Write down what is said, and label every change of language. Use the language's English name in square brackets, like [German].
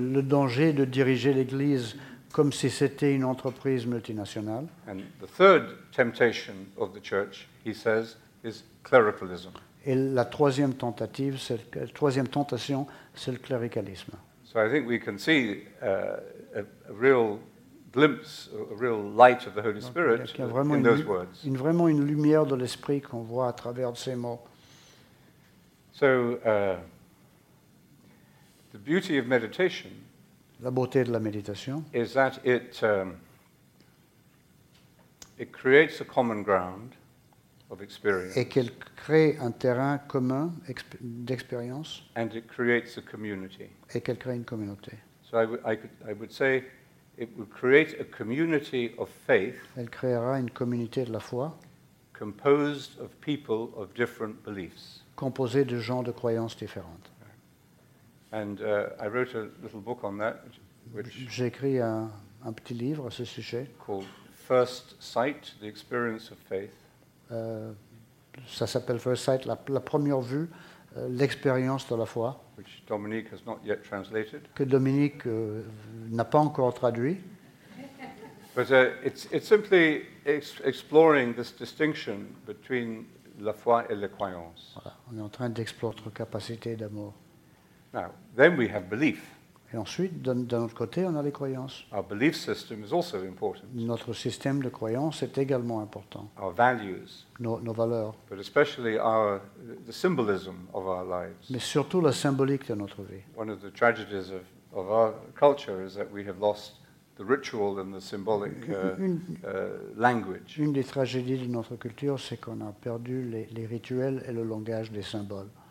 [French] Le danger de diriger l'Église comme si c'était une entreprise multinationale. [English] And the third temptation of the church, he says, is clericalism. [French] Et la troisième tentative, la troisième tentation, c'est le cléricalisme. [English] So I think we can see a real glimpse, a real light of the Holy Spirit in those words. [French] Une vraiment une lumière de l'esprit qu'on voit à travers ces mots. [English] So the beauty of meditation. [French] La beauté de la méditation. [English] Is that it creates a common ground. [French] Et qu'elle crée un terrain commun d'expérience. [English] And it creates a community. [French] Et qu'elle crée une communauté. [English] So I would say it would create a community of faith. [French] Elle créera une communauté de la foi. [English] Composed of people of different beliefs. [French] Composée de gens de croyances différentes. [English] And I wrote a little book on that. [French] J'ai écrit un petit livre à ce sujet. [English] Called First Sight: The Experience of Faith. [French] Ça s'appelle First Sight, la première vue, l'expérience de la foi. [English] Which Dominique has not yet translated. [French] Que Dominique n'a pas encore traduit. [English] But it's simply exploring this distinction between [French] la foi et la croyance. Voilà, on est en train d'explorer notre capacité d'amour. [English] Now, then we have belief. [French] Et ensuite, de notre côté, on a les croyances. [English] Our belief system is also important. [French] Notre système de croyances est également important. [English] Our values. [French] Nos valeurs. [English] But especially the symbolism of our lives. [French] Mais surtout la symbolique de notre vie. [English] One of the tragedies of our culture is that we have lost the ritual and the symbolic language. [French] Une des tragédies de notre culture, c'est qu'on a perdu les rituels et le langage des symboles.